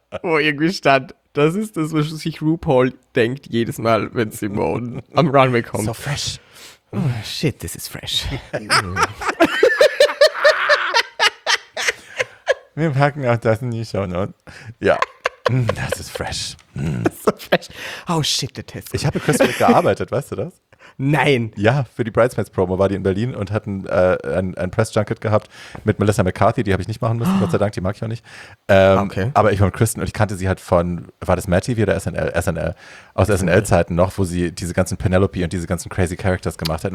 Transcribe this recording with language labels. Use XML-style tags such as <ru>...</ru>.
<de>Wo irgendwie stand, das ist das, was sich RuPaul denkt jedes Mal, wenn Simone am Runway kommt.</de> <en>So fresh. Oh, shit, this is fresh.</en> <de>Wir packen auch das in die Show Notes. Ja. Das ist fresh.</de> <en>So fresh. Oh, shit, the test.</en> <de>Ich habe mit Kristen Wiig gearbeitet, weißt du das? Nein. Ja, für die Bridesmaids-Promo war die in Berlin und hat ein Press-Junket gehabt mit Melissa McCarthy. Die habe ich nicht machen müssen, Gott sei Dank, die mag ich auch nicht. Okay. Aber ich war mit Kristen und ich kannte sie halt von, war das Matt TV oder SNL? SNL. Aus SNL-Zeiten noch, wo sie diese ganzen Penelope und diese ganzen crazy Characters gemacht hat.</de>